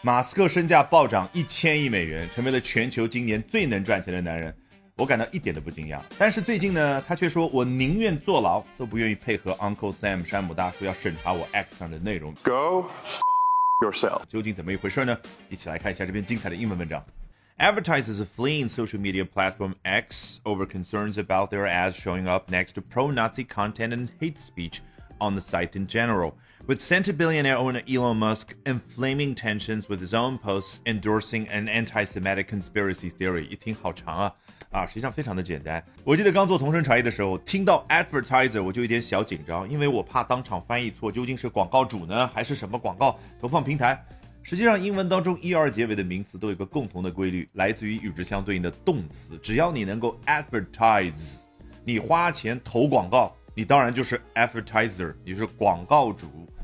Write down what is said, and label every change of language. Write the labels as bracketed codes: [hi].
[zh] 马斯克身价暴涨1000亿美元，成为了全球今年最能赚钱的男人，我感到一点都不惊讶。但是最近呢，他却说我宁愿坐牢都不愿意配合 Uncle Sam 山姆大叔要审查我 X 上的内容。 [en] Go yourself， [zh] 究竟怎么一回事呢？一起来看一下这篇精彩的英文文章。 [en] Advertisers are fleeing social media platform X over concerns about their ads showing up next to pro-Nazi content and hate speech on the site in general. With centibillionaire owner Elon Musk inflaming tensions with his own posts endorsing an anti-Semitic conspiracy theory. [zh] 一听好长啊。啊，实际上非常的简单。我记得刚做同声传译的时候，听到 advertiser 我就有点小紧张，因为我怕当场翻译错，究竟是广告主呢，还是什么广告投放平台。实际上英文当中ER结尾的名词都有个共同的规律，来自于与之相对应的动词。只要你能够 advertise， 你花钱投广告，你当然就是 advertiser， 你是广告主。